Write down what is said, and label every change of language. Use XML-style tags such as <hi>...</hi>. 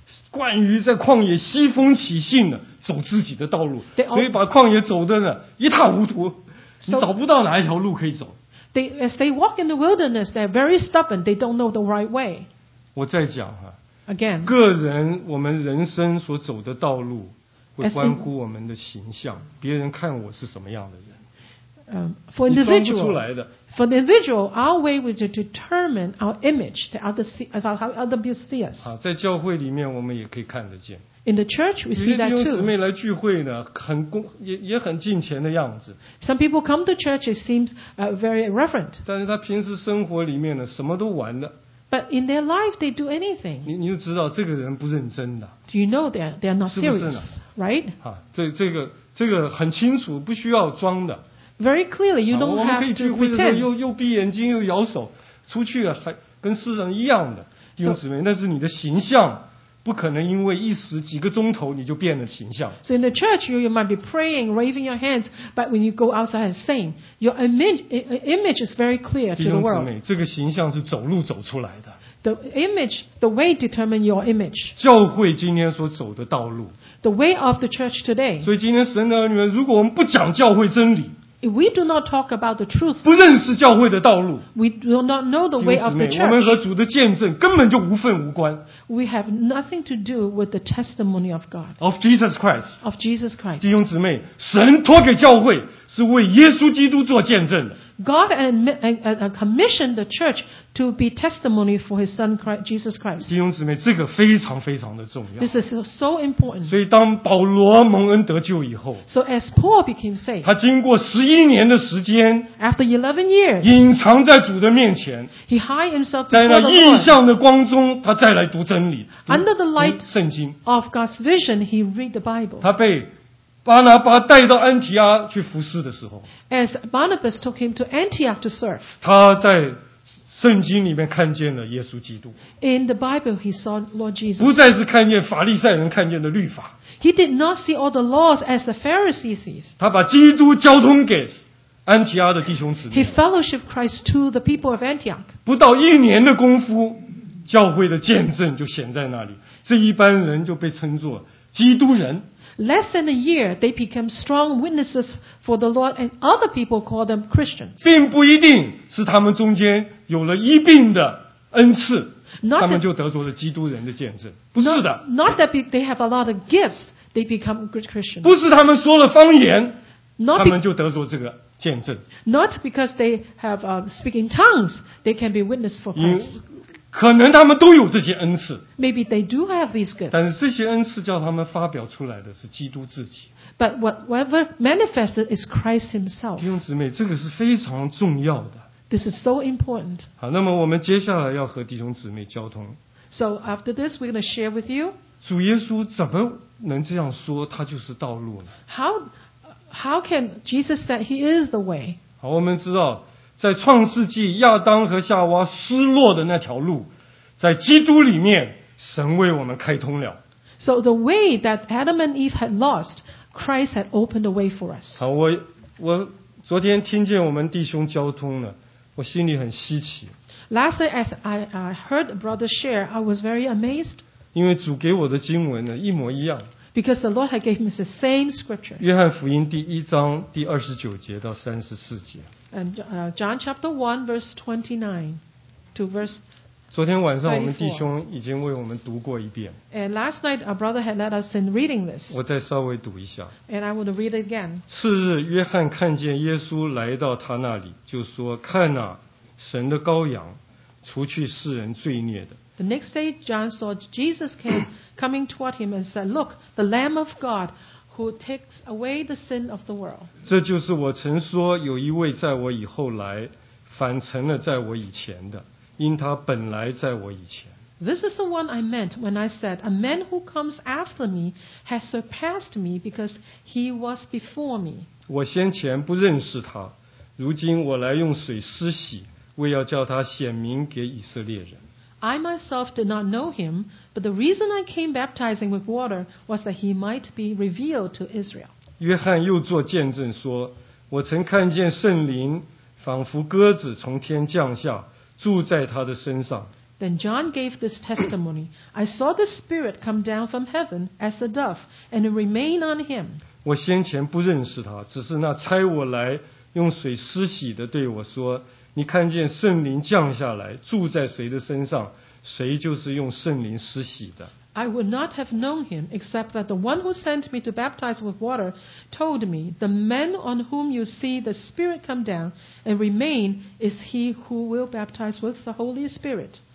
<zh>惯于在旷野西风起信的走自己的道路，所以把旷野走的呢一塌糊涂。你找不到哪一条路可以走。</zh> <en>As they walk in the wilderness, they're very stubborn. They don't know the right way.</en> <zh>我再讲啊。</zh> <en>Again.</en> <zh>个人，我们人生所走的道路，会关乎我们的形象。别人看我是什么样的人。</zh> <en>For individual.</en> <zh>你说不出来的。</zh> <en>For the individual, our way will determine our image. The others, how other people see us.</en> <zh>啊，在教会里面，我们也可以看得见。</zh> <en>In the church, we see that too.</en> <zh>有些弟兄姊妹来聚会呢，很恭，也很敬虔的样子。</zh> <en>Some people come to church; it seems very reverent.</en> <zh>但是他平时生活里面呢，什么都玩的。</zh> <en>But in their life, they do anything.</en> <zh>你就知道这个人不认真的。</zh> <en>Do you know they are not serious, right?</en> <zh>啊，这个很清楚，不需要装的。</zh> <en>Very clearly, you don't have to pretend.</en> <zh>我们可以聚会的时候，又闭眼睛，又摇手，出去了还跟世人一样的弟兄姊妹，那是你的形象。不可能因为一时几个钟头你就变了形象。</zh> <en>So in the church, you might be praying, waving your hands, but when you go outside and sing, your image is very clear to the world.</en> <zh>弟兄姊妹，这个形象是走路走出来的。</zh> <en>The image, the way determine your image.</en> <zh>教会今天所走的道路。</zh> <en>The way of the church today.</en> <zh>所以今天神的儿女们，如果我们不讲教会真理。</zh> <en>If we do not talk about the truth,</en> <zh>不认识教会的道路</zh> <en>we do not know the way of the church.</en> <zh>我们和主的见证根本就无份无关</zh> <en>We have nothing to do with the testimony of God. Of Jesus Christ.</en> <zh>弟兄姊妹，神托给教会是为耶稣基督做见证的。</zh> <en>God commissioned the church to be testimony for His Son Jesus Christ.</en> <zh>弟兄姊妹，这个非常非常的重要。</zh> <en>This is so important.</en> <zh>所以当保罗蒙恩得救以后</zh> <en>，So as Paul became saved,</en> <zh>他经过11年的时间</zh> <en>，After 11 years,</en> <zh>隐藏在主的面前</zh> <en>，He hid himself</en> <zh>在那异象的光中，他再来读真理</zh> <en>，Under the light</en> <zh>圣经</zh> <en>of God's vision, he read the Bible.</en> <zh>他被巴拿巴带到安提阿去服侍的时候</zh> <en>，As Barnabas took him to Antioch to serve，</en> <zh>他在圣经里面看见了耶稣基督。</zh> <en>In the Bible, he saw Lord Jesus。</en> <zh>不再是看见法利赛人看见的律法。</zh> <en>He did not see all the laws as the Pharisees see。</en> <zh>他把基督交通给安提阿的弟兄姊妹。</zh> <en>He fellowshiped Christ to the people of Antioch。</en> <zh>不到一年的功夫，教会的见证就显在那里。这一般人就被称作基督人。</zh> <en>Less than a year, they became strong witnesses for the Lord, and other people call them Christians.</en> <zh>并不一定是他们中间有了医病的恩赐，他们就得着了基督人的见证。不是的。</zh> <en>Not that they have a lot of gifts, they become good Christians.</en> <zh>不是他们说了方言，他们就得着这个见证。</zh> <en>Not because they have speaking tongues, they can be witnesses for Christ.</en> <zh>可能他们都有这些恩赐</zh> <en>Maybe they do have these gifts.</en> <zh>但是这些恩赐叫他们发表出来的是基督自己</zh> <en>But whatever manifested is Christ himself.</en> <zh>弟兄姊妹这个是非常重要的</zh> <en>This is so important.</en> <zh>好那么我们接下来要和弟兄姊妹交通</zh> <en>So after this we're going to share with you</en> <zh>主耶稣怎么能这样说他就是道路呢</zh> <en>How can Jesus say he is the way?</en> <zh>好我们知道在创世纪亚当和夏娃失落的那条路在基督里面神为我们开通了</zh> <en>So the way that Adam and Eve had lost Christ had opened the way for us</en> <zh>好 我昨天听见我们弟兄交通了我心里很稀奇</zh> <en>Last night as I heard brother share I was very amazed</en> <zh>因为主给我的经文呢一模一样</zh> <en>Because the Lord had gave me the same scripture</en> <zh>约翰福音第一章第二十九节到三十四节</zh> <en>And John chapter 1 verse 29 to verse 34.</en> <zh>昨天晚上我们弟兄已经为我们读过一遍。</zh> <en>And last night our brother had let us in reading this.</en> <zh>我再稍微读一下。</zh> <en>And I would read it again.</en> <zh>次日约翰看见耶稣来到他那里就说看哪神的羔羊除去世人罪孽的。</zh> <en>The next day John saw Jesus coming toward him and said, Look, the Lamb of God,Who takes away the sin of the world.</en> <zh>这就是我曾说有一位在我以后来反成了在我以前的因他本来在我以前</zh> <en>This is the one I meant when I said A man who comes after me has surpassed me because he was before me.</en> <zh>我先前不认识他如今我来用水施洗为要叫他显明给以色列人</zh> <en>I myself did not know him,But the reason I came baptizing with water was that he might be revealed to Israel.</en> <zh>约翰又做见证说，我曾看见圣灵仿佛鸽子从天降下，住在他的身上。</zh> <en>Then John gave this testimony. I saw the Spirit come down from heaven as a dove and remain on him.</en> <zh>我先前不认识他，只是那差我来用水施洗的对我说，你看见圣灵降下来，住在谁的身上？谁就是用圣灵施洗的</zh> <en>I would not have known him except that the one who sent me to baptize with water told me the man on whom you see the Spirit come down and remain is he who will baptize with the Holy Spirit</en>